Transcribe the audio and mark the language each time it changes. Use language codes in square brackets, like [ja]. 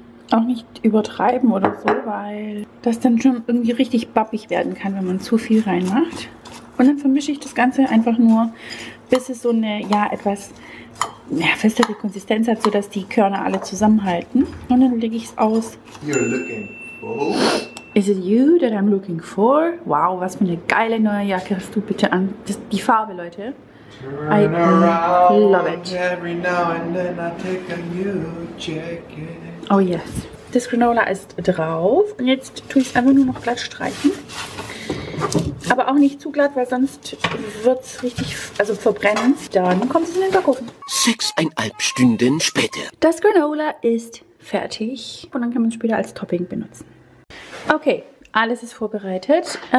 [de] Auch nicht übertreiben oder so, weil das dann schon irgendwie richtig bappig werden kann, wenn man zu viel reinmacht. Und dann vermische ich das Ganze einfach nur, bis es so eine, ja, etwas ja, festere Konsistenz hat, sodass die Körner alle zusammenhalten. Und dann lege ich es aus. [en] You're looking for? Is it you that I'm looking for? [de] Wow, was für eine geile neue Jacke hast du bitte an. Das, die Farbe, Leute. [en] I love it. Every now and then I take a new jacket. Oh yes. [de] Das Granola ist drauf. Und jetzt tue ich es einfach nur noch glatt streichen. Aber auch nicht zu glatt, weil sonst wird es richtig verbrennen. Dann kommt es in den Backofen. 6,5 Stunden später. Das Granola ist fertig. Und dann kann man es später als Topping benutzen. Okay, alles ist vorbereitet.